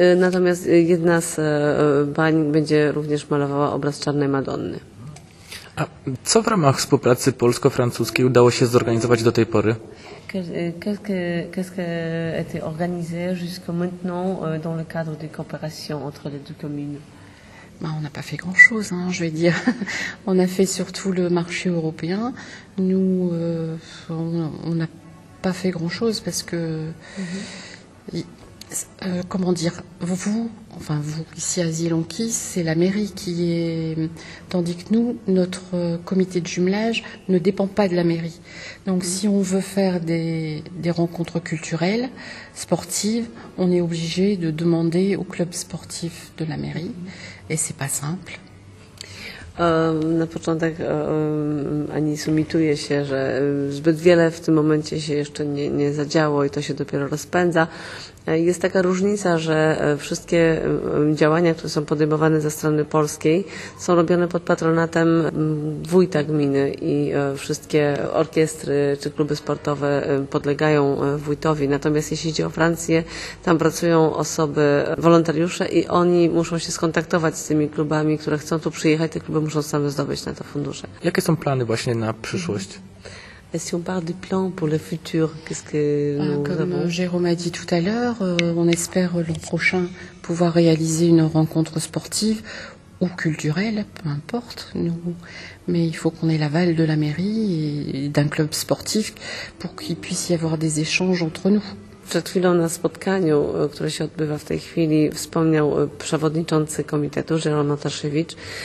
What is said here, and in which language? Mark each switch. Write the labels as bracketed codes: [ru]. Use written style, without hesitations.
[pl] Natomiast jedna z pań będzie również malowała obraz Czarnej Madonny. A co w ramach współpracy polsko-francuskiej udało się zorganizować do tej pory? [fr] Qu'est-ce qui a été organisé jusqu'à maintenant dans le cadre des coopérations entre les deux communes? On n'a pas fait grand-chose, je vais dire. On a fait surtout le marché européen. Nous, on n'a pas fait grand-chose parce que Comment dire, vous ici à Zilonki, c'est la mairie qui est, tandis que nous, notre comité de jumelage ne dépend pas de la mairie. Donc si on veut faire des rencontres culturelles, sportives, on est obligé de demander au club sportif de la mairie, et c'est pas simple. [pl] Na początek Ani sumituje się, że zbyt wiele w tym momencie się jeszcze nie zadziało i to się dopiero rozpędza. Jest taka różnica, że wszystkie działania, które są podejmowane ze strony polskiej, są robione pod patronatem wójta gminy i wszystkie orkiestry czy kluby sportowe podlegają wójtowi. Natomiast jeśli idzie o Francję, tam pracują osoby, wolontariusze i oni muszą się skontaktować z tymi klubami, które chcą tu przyjechać, te kluby muszą same zdobyć na to fundusze. Jakie są plany właśnie na przyszłość? [fr] Si on parle du plan pour le futur, qu'est-ce que nous comme Jérôme a dit tout à l'heure, on espère l'an prochain pouvoir réaliser une rencontre sportive ou culturelle, peu importe, nous. Mais il faut qu'on ait l'aval de la mairie et d'un club sportif pour qu'il puisse y avoir des échanges entre nous. [pl] Przed chwilą na spotkaniu, które się odbywa w tej chwili, wspomniał przewodniczący komitetu, Jerzy Mataszewicz.